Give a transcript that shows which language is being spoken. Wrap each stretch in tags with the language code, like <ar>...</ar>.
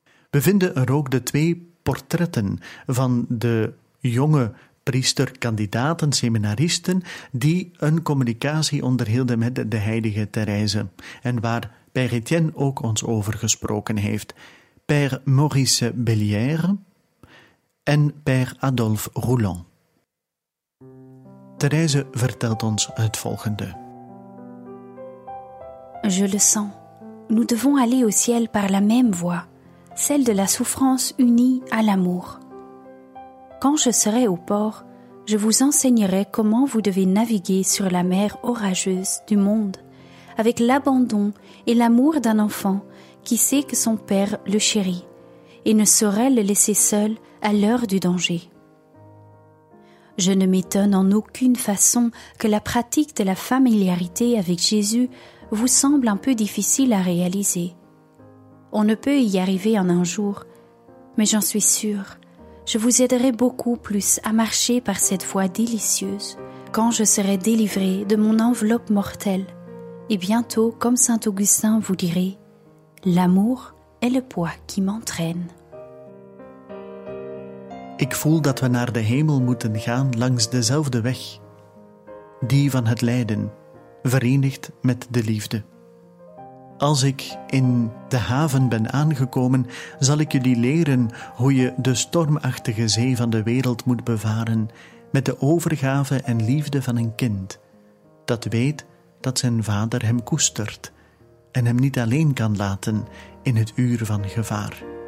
<nl>We vinden er ook de twee portretten van de jonge priesterkandidaten, seminaristen, die een communicatie onderhielden met de heilige Therese en waar Père Étienne ook ons over gesproken heeft, Père Maurice Bellière en Père Adolphe Roulon. Therese vertelt ons het volgende.</nl> <fr>Je le sens. Nous devons aller au ciel par la même voie, celle de la souffrance unie à l'amour. Quand je serai au port, je vous enseignerai comment vous devez naviguer sur la mer orageuse du monde, avec l'abandon et l'amour d'un enfant qui sait que son père le chérit et ne saurait le laisser seul à l'heure du danger. Je ne m'étonne en aucune façon que la pratique de la familiarité avec Jésus vous semble un peu difficile à réaliser. On ne peut y arriver en un jour, mais j'en suis sûre. Je vous aiderai beaucoup plus à marcher par cette voie délicieuse quand je serai délivrée de mon enveloppe mortelle. Et bientôt, comme saint Augustin vous dirait, l'amour est le poids qui m'entraîne.</fr> <nl>Ik voel dat we naar de hemel moeten gaan langs dezelfde weg. Die van het lijden, verenigd met de liefde. Als ik in de haven ben aangekomen, zal ik jullie leren hoe je de stormachtige zee van de wereld moet bevaren met de overgave en liefde van een kind dat weet dat zijn vader hem koestert en hem niet alleen kan laten in het uur van gevaar.</nl>